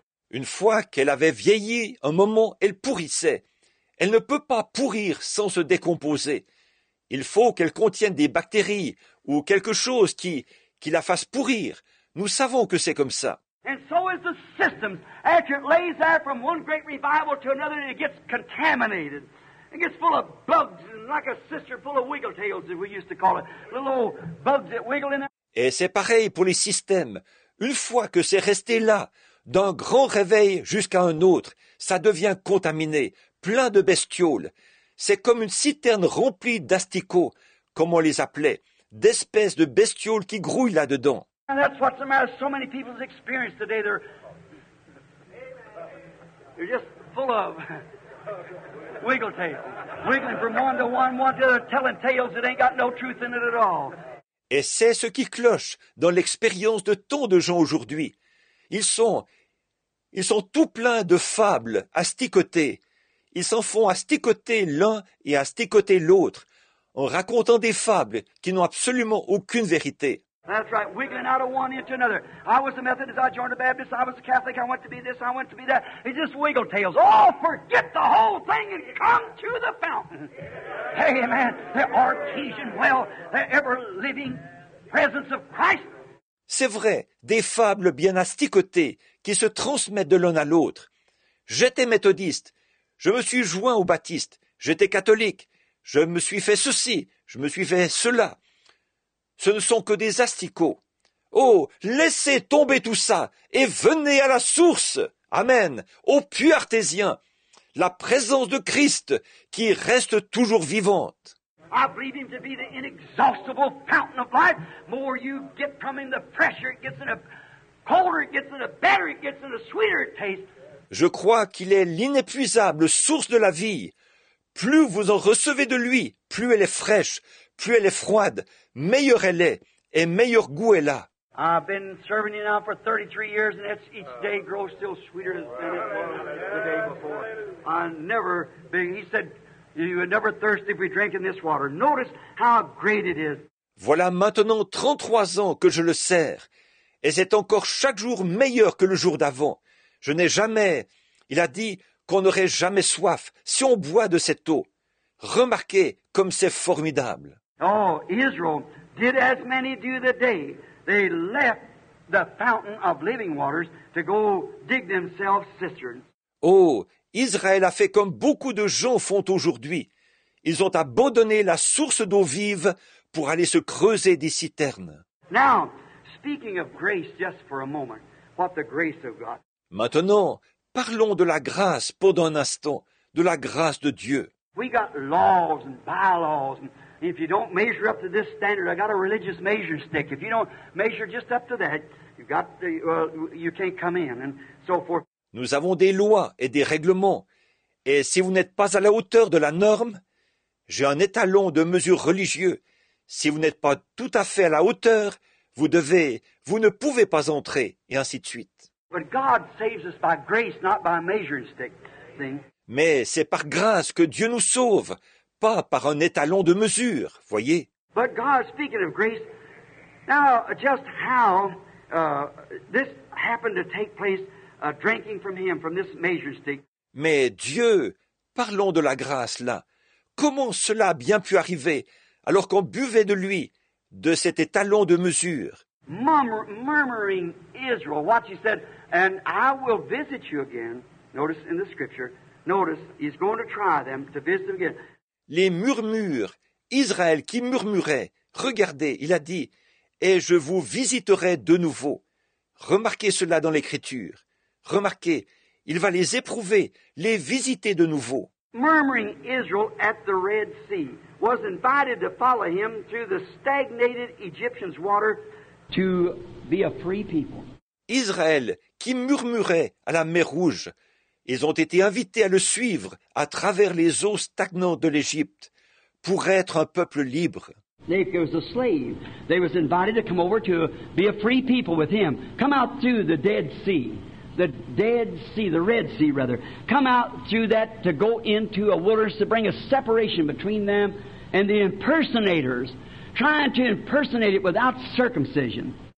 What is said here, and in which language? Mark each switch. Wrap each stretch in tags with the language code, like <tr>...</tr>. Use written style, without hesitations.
<fr>Une fois qu'elle avait vieilli un moment, elle pourrissait. Elle ne peut pas pourrir sans se décomposer. Il faut qu'elle contienne des bactéries ou quelque chose qui la fasse pourrir. Nous savons que c'est comme ça.</fr> <en>And so is the system. After it lays there from one great revival to another, it gets contaminated. It gets full of bugs, like a sister full of wiggle tails, as we used to call it. Little old bugs that wiggle in there.</en> <fr>Et c'est pareil pour les systèmes. Une fois que c'est resté là, d'un grand réveil jusqu'à un autre, ça devient contaminé, plein de bestioles. C'est comme une citerne remplie d'asticots, comme on les appelait, d'espèces de bestioles qui grouillent là-dedans.</fr> <en>And that's what's the matter. So many people's experience today, they're just full of wiggle tails. Wiggling from one to other, telling tales that ain't got no truth in it at all.</en> <fr>Et c'est ce qui cloche dans l'expérience de tant de gens aujourd'hui. Ils sont tout pleins de fables asticotées. Ils s'en font asticoter l'un et asticoter l'autre en racontant des fables qui n'ont absolument aucune vérité.</fr> <en>That's right, wiggling out of one into another. I was a Methodist, I joined a Baptist, I was a Catholic, I went to be this, I went to be that. It's just wiggle tails. Oh, forget the whole thing and come to the fountain. Hey, amen, the artesian well, the ever-living presence of Christ.</en> <fr>C'est vrai, des fables bien asticotées qui se transmettent de l'un à l'autre. J'étais méthodiste, je me suis joint aux baptistes, j'étais catholique, je me suis fait ceci, je me suis fait cela. Ce ne sont que des asticots. Oh, laissez tomber tout ça et venez à la source. Amen. Au puits artésien, la présence de Christ qui reste toujours vivante.</fr> <en>I believe him to be the inexhaustible fountain of life. More you get from him, the fresher it gets, and the colder it gets, and the better it gets, and the sweeter it tastes.</en> <fr>Je crois qu'il est l'inépuisable source de la vie. Plus vous en recevez de lui, plus elle est fraîche. Plus elle est froide, meilleure elle est, et meilleur goût elle a.</fr> <en>I've been serving you now for 33 years, and it's each day grows still sweeter than it was the day before. He said, you would never thirst if we drank in this water. Notice how great it is.</en> <fr>Voilà maintenant 33 ans que je le sers, et c'est encore chaque jour meilleur que le jour d'avant. Il a dit qu'on n'aurait jamais soif si on boit de cette eau. Remarquez comme c'est formidable.</fr> <en>Oh, Israel did as many do the day. They left the fountain of living waters to go dig themselves cisterns.</en> <fr>Oh, Israël a fait comme beaucoup de gens font aujourd'hui. Ils ont abandonné la source d'eau vive pour aller se creuser des citernes.</fr> <en>Now, speaking of grace just for a moment, what the grace of God.</en> <fr>Maintenant, parlons de la grâce pendant un instant, de la grâce de Dieu.</fr> <en>We got laws and bylaws and if you don't measure up to this standard, I got a religious measuring stick. If you don't measure just up to that, you can't come in and so forth.</en> <fr>Nous avons des lois et des règlements. Et si vous n'êtes pas à la hauteur de la norme, j'ai un étalon de mesure religieux. Si vous n'êtes pas tout à fait à la hauteur, vous ne pouvez pas entrer et ainsi de suite.</fr> <en>But God saves us by grace, not by a measuring stick thing.</en> <fr>Mais c'est par grâce que Dieu nous sauve, pas par un étalon de mesure, voyez.</fr> <en>But God, speaking of grace, now just how this happened to take place, drinking from him, from this measuring stick.</en> <fr>Mais Dieu, parlons de la grâce là. Comment cela a bien pu arriver alors qu'on buvait de lui, de cet étalon de mesure?</fr> <en>Murmuring Israel, watch, he said, and I will visit you again. Notice in the scripture. Notice, he's going to try them to visit them again.</en> <fr>Les murmures, Israël qui murmurait, regardez, il a dit, et je vous visiterai de nouveau. Remarquez cela dans l'Écriture. Remarquez, il va les éprouver, les visiter de nouveau.</fr> <en>Murmuring Israel at the Red Sea was invited to follow him through the stagnated Egyptian's water to be a free people.</en> <fr>Israël qui murmurait à la mer Rouge. Ils ont été invités à le suivre à travers les eaux stagnantes de l'Égypte pour être un peuple libre.</fr> <en>They were invited to come over to be a free people with him. Come out through the Dead Sea. the Dead Sea, the Red Sea rather, come out through that to go into a wilderness to bring a separation between them and the impersonators, trying to impersonate it without circumcision.</en>